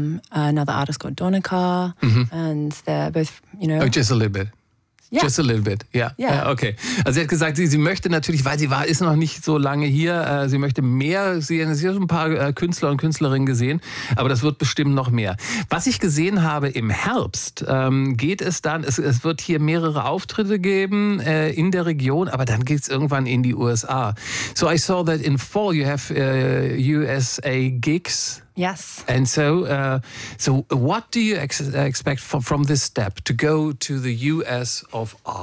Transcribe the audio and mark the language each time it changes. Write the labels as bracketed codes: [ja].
[en] Another artist called Donica, and they're both, you know. Oh, just a little bit. Yeah. Just a little bit, yeah. Okay. [de] Also sie hat gesagt, sie möchte natürlich, weil sie ist noch nicht so lange hier, sie möchte mehr sehen. Sie hat schon ein paar Künstler und Künstlerinnen gesehen, aber das wird bestimmt noch mehr. Was ich gesehen habe im Herbst, geht es dann, es wird hier mehrere Auftritte geben in der Region, aber dann geht es irgendwann in die USA. [en] So I saw that in fall you have USA gigs. Yes. And so so what do you expect from this step to go to the US of